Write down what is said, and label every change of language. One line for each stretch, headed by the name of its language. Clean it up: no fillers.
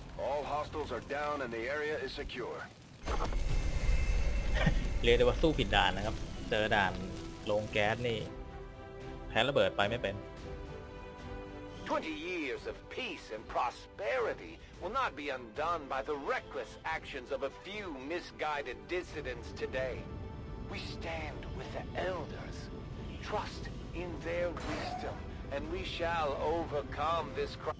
English: All hostiles are down and the area is secure.
Thai: เรียกได้ว่าสู้ผิดด่านนะครับเจอด่านโรงแก๊สนี่แพ้ระเบิดไปไม่เป็น
English: 20 years of peace and prosperity will not be undone by the reckless actions of a few misguided dissidents today. We stand with the elders. Trust in their wisdomAnd we shall overcome this